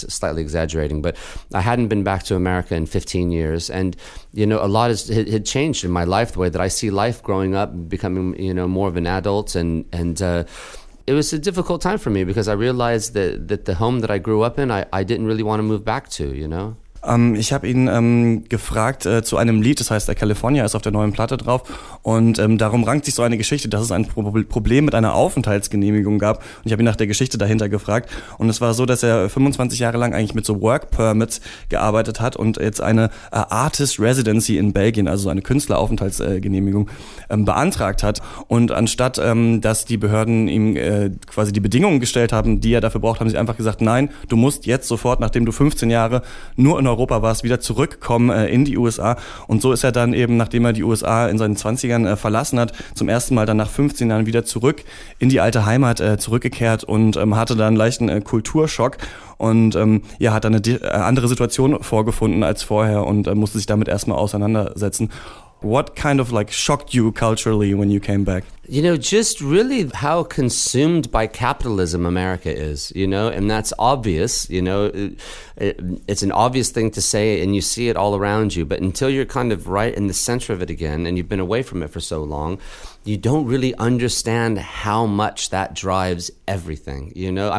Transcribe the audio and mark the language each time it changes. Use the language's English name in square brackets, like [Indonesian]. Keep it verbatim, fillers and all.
[English] That's slightly exaggerating, but I hadn't been back to America in fifteen years. And, you know, a lot has, had changed in my life, the way that I see life growing up, becoming, you know, more of an adult. And, and, uh, it was a difficult time for me because I realized that, that the home that I grew up in, I, I didn't really want to move back to, you know? [German] Ähm, ich habe ihn ähm, gefragt äh, zu einem Lied, das heißt äh, California ist auf der neuen Platte drauf, und ähm, darum rankt sich so eine Geschichte, dass es ein Pro- Problem mit einer Aufenthaltsgenehmigung gab, und ich habe ihn nach der Geschichte dahinter gefragt, und es war so, dass er fünfundzwanzig Jahre lang eigentlich mit so Work Permits gearbeitet hat und jetzt eine äh, Artist Residency in Belgien, also eine Künstleraufenthaltsgenehmigung äh, ähm, beantragt hat, und anstatt ähm, dass die Behörden ihm äh, quasi die Bedingungen gestellt haben, die er dafür braucht, haben sie einfach gesagt, nein, du musst jetzt sofort, nachdem du fünfzehn Jahre nur in Europa warst, wieder zurückkommen äh, in die U S A. Und so ist er dann eben, nachdem er die U S A in seinen zwanzigern äh, verlassen hat, zum ersten Mal dann nach fünfzehn Jahren wieder zurück in die alte Heimat äh, zurückgekehrt und ähm, hatte da einen leichten äh, Kulturschock und ähm, ja, hat dann eine di- andere Situation vorgefunden als vorher und äh, musste sich damit erstmal auseinandersetzen. [English] What kind of like shocked you culturally when you came back? You know, just really how consumed by capitalism America is, you know, and that's obvious, you know, it, it, it's an obvious thing to say and you see it all around you, but until you're kind of right in the center of it again and you've been away from it for so long, you don't really understand how much that drives everything, you know?